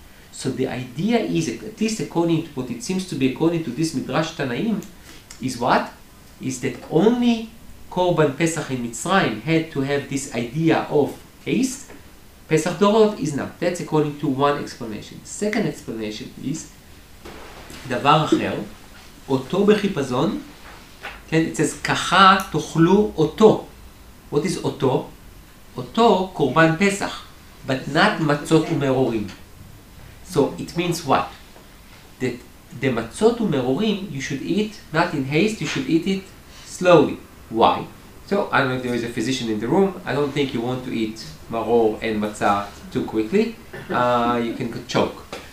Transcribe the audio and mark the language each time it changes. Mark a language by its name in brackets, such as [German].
[English] So the idea is, at least according to what it seems to be, according to this Midrash Tanaim, is what? Is that only Korban Pesach in Mitzrayim had to have this idea of haste. Pesach Dorot is not. That's according to one explanation. Second explanation is, [Hebrew] דבר אחר, אותו בחיפזון, כן, [English] it says, [Hebrew] ככה תאכלו אותו. [English] What is אותו? [Hebrew] אותו קורבן פסח, [English] but not [Hebrew] מצות ומרורים. [English] So it means what? That the מצות ומרורים, you should eat, not in haste, you should eat it slowly. Why? So, I don't know if there is a physician in the room, I don't think you want to eat maror and מצה too quickly, you can choke.